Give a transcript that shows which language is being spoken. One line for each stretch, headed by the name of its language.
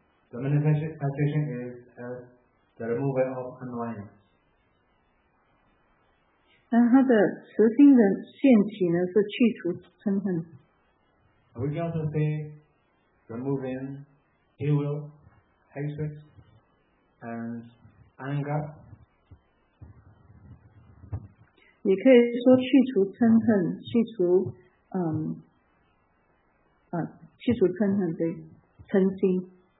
English: The manifestation is as the removal of annoyance.
Chinese: 但他的慈心的现起呢，是去除嗔恨。
English: We can also say removing ill will, hatred, and anger.
Chinese: 也可以说去除嗔恨，去除去除嗔恨，对，嗔心。